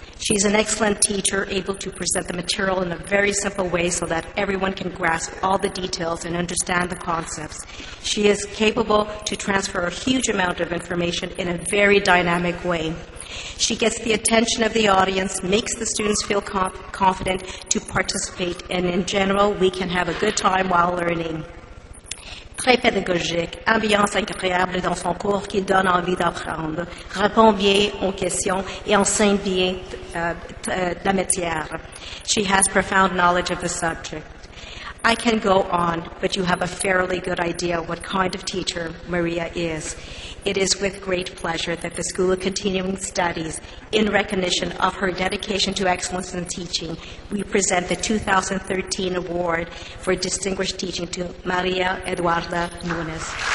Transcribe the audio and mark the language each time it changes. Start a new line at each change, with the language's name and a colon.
English: She's an excellent teacher, able to present the material in a very simple way so that everyone can grasp all the details and understand the concepts. She is capable to transfer a huge amount of information in a very dynamic way. She gets the attention of the audience, makes the students feel confident to participate, and in general, we can have a good time while learning.
French: Très pédagogique, ambiance incroyable dans son cours qui donne envie d'apprendre, répond bien aux questions et enseigne bien la matière.
English: She has profound knowledge of the subject. I can go on, but you have a fairly good idea what kind of teacher Maria is. It is with great pleasure that the School of Continuing Studies, in recognition of her dedication to excellence in teaching, we present the 2013 Award for Distinguished Teaching to Maria Eduarda Nunes.